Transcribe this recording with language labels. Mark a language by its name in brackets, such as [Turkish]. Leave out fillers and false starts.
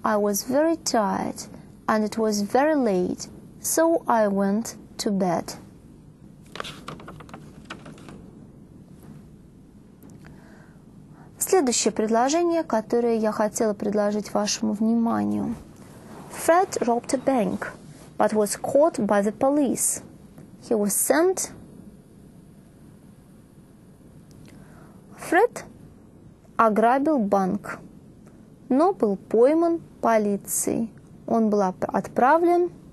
[English] I was very tired and it was very late, so I went to bed. [Russian] Следующее предложение, которое я хотела предложить вашему вниманию. [English] Fred robbed a bank, but was caught by the police. He was sent. [Russian] Фред ограбил банк, но был пойман полицией. Он был отправлен.